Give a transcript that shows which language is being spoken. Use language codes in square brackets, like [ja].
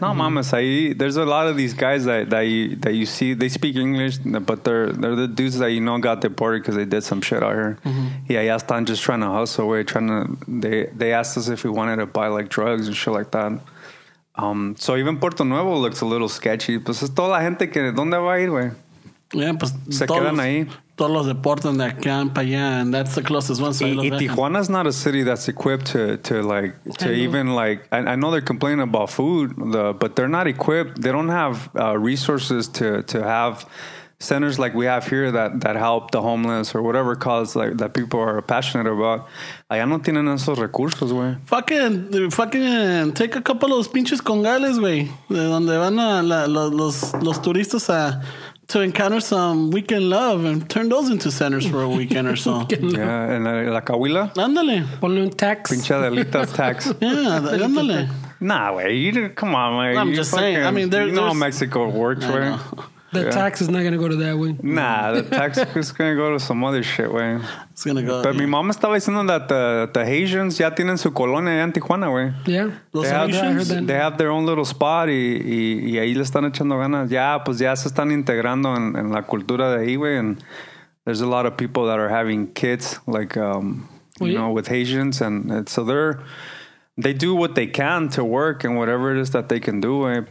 [es] No mames, [en] ahí, there's a lot of these guys that you see, they speak English, but they're the dudes that you know got deported because they did some shit out here. Mm-hmm. Yeah, están just trying to hustle, güey. They asked us if we wanted to buy like drugs and shit like that. So even Puerto Nuevo looks a little sketchy. [es] Pues es toda la gente que, ¿dónde va a ir, güey? [en] Yeah, pues [es] se quedan ahí. Todos los deportes de acá para allá, [en] and that's the closest one. [es] So [en] y Tijuana's not a city that's equipped I know they're complaining about food, but they're not equipped. They don't have resources to have centers like we have here that help the homeless or whatever cause like that people are passionate about. [es] Allá no tienen esos recursos, güey. [en] Fucking take a couple of those [es] pinches congales, güey, de donde van los turistas a... [en] to encounter some weekend love and turn those into centers for a weekend or so. Yeah, and la Cahuila. [es] Ándale. Ponle un tax. Pinche delito tax. Yeah, ándale. [en] Nah, güey. Come on, man. I'm just saying. I mean, there's... You know how Mexico works, güey. The tax is not going to go to that, way. Nah, the tax is going to go to some other shit, way. It's going to go... But [es] mi mama estaba diciendo [en] that the Haitians [es] ya tienen su colonia en Tijuana, güey. [en] Yeah. [es] Los Haitians. [en] They have their own little spot [es] y ahí le están echando ganas. Ya, pues ya se están integrando en la cultura de ahí, güey. [en] And there's a lot of people that are having kids, like, with Haitians. And so they do what they can to work and whatever it is that they can do, güey.